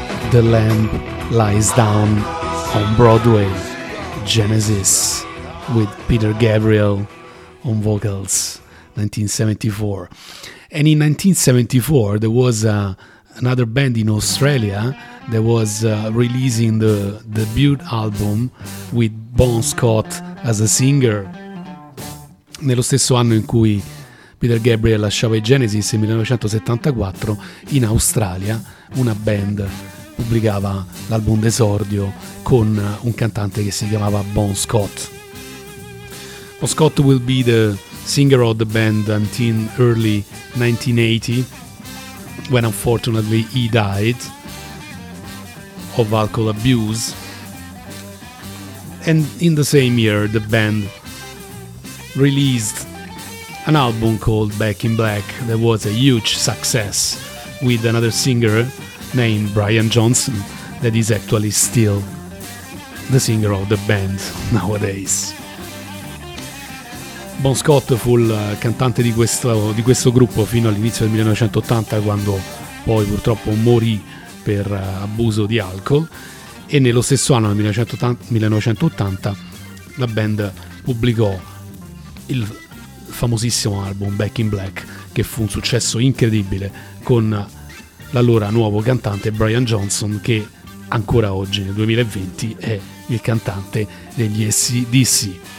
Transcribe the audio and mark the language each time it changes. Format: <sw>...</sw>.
<en>The Lamb Lies Down on Broadway, Genesis, with Peter Gabriel on vocals, 1974. And in 1974, there was another band in Australia that was releasing the debut album with Bon Scott as a singer.</en> <it>Nello stesso anno in cui Peter Gabriel lasciava i Genesis, in 1974, in Australia, una band pubblicava l'album d'esordio con un cantante che si chiamava Bon Scott.</it> <en>Bon Scott will be the singer of the band until early 1980, when unfortunately he died of alcohol abuse. And in the same year, the band released an album called Back in Black that was a huge success, with another singer named Brian Johnson, that is actually still the singer of the band nowadays.</en> <it>Bon Scott fu il cantante di questo gruppo fino all'inizio del 1980, quando poi purtroppo morì per abuso di alcol, e nello stesso anno, nel 1980, la band pubblicò il famosissimo album Back in Black, che fu un successo incredibile, con l'allora nuovo cantante Brian Johnson, che ancora oggi nel 2020 è il cantante degli AC/DC.</it>